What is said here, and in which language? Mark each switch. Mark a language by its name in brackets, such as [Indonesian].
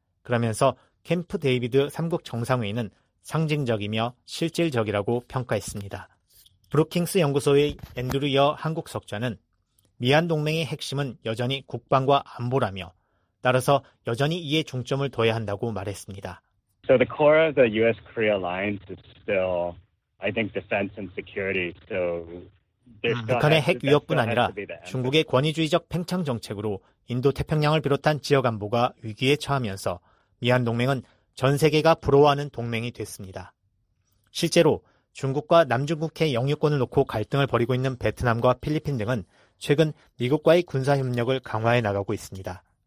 [Korean] 그러면서 캠프 데이비드 3국 정상회의는 상징적이며 실질적이라고 평가했습니다. 브루킹스 연구소의 앤드류 여 한국 석좌는 미한 동맹의 핵심은 여전히 국방과 안보라며 따라서 여전히 이에 중점을 둬야 한다고 말했습니다. [English] So the core of the US-Korea alliance is still, I think, defense and security. So [Korean] 북한의 핵 위협뿐 아니라 중국의 권위주의적 팽창 정책으로 인도태평양을 비롯한 지역 안보가 위기에 처하면서 미한 동맹은 전 세계가 부러워하는 동맹이 됐습니다. 실제로 중국과 남중국해 영유권을 놓고 갈등을 벌이고 있는 베트남과 필리핀 등은 최근 미국과의 군사협력을 강화해 나가고 있습니다.